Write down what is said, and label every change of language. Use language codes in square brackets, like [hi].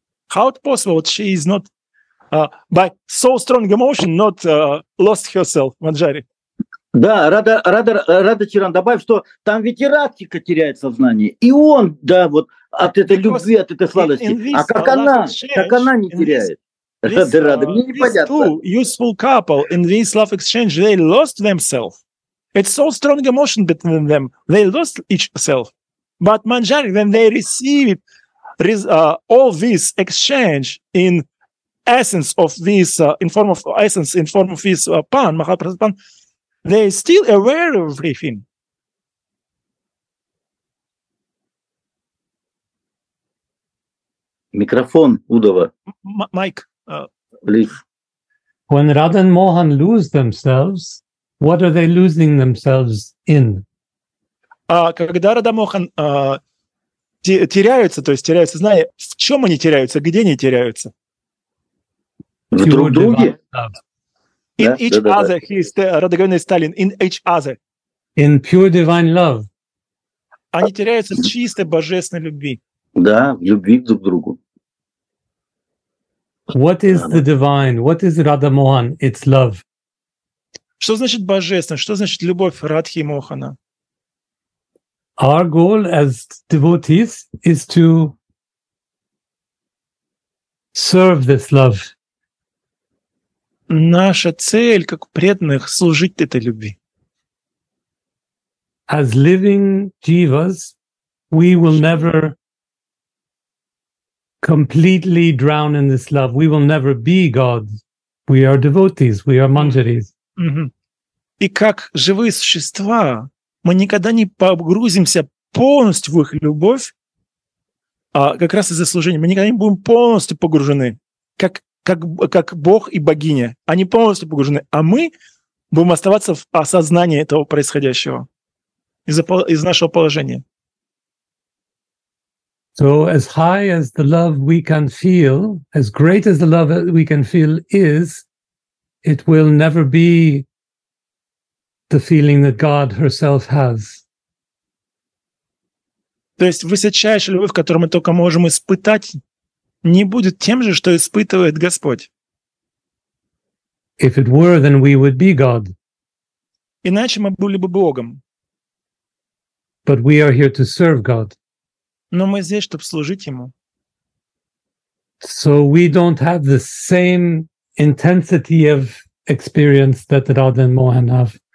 [en] How possible she is not, by so strong emotion, not lost herself, Manjari? [ru] Да, Рада Чиран, добавь, что там ведь и Радхика теряет сознание, и он, да, вот от этой любви, от этой сладости, а как она не теряет? Рада, мне непонятно. [en] These two useful couple in this love exchange, they lost themselves. It's so strong emotion between them. They lost each self. But Manjari, when they received all this exchange in essence of this, in form of essence, in form of this pan, Mahaprasad pan, they still aware of everything. Микрофон Удова. Майк. Please. When Radha and Mohan lose themselves, what are they losing themselves in? [ru] Когда [en] Radha and Mohan [ru] теряются, то есть теряются, знаете, в чем они теряются, где они теряются? В друг друге. [en] In each other, he is the Radha Govinda Stalin. In each other. In pure divine love. [ru] Они теряются в чистой божественной любви. Да, в любви друг к другу. [en] What is the divine? What is Radha Mohan? It's love. [ru] Что значит божественное? Что значит любовь Радхи и Мохана? [en] Our goal as devotees is to serve this love. [ru] Наша цель, как преданных, служить этой любви. [en] As living jivas, we will never completely drown in this love. We will never be gods. We are devotees. We are manjaris. Mm-hmm. [ru] И как живые существа, мы никогда не погрузимся полностью в их любовь, а как раз из-за служения. Мы никогда не будем полностью погружены, как Бог и богиня. Они полностью погружены, а мы будем оставаться в осознании этого происходящего из нашего положения. [en] So as high as the love we can feel, as great as the love we can feel is, it will never be the feeling that God herself has. [ru] То есть высочайшая любовь, которую мы только можем испытать, не будет тем же, что испытывает Господь. [en] If it were, then we would be God. [ru] Иначе мы были бы Богом. [en] But we are here to serve God. [ru] Но мы здесь, чтобы служить Ему. [en] So we don't have the same intensity of experience that Radha and Mohan have.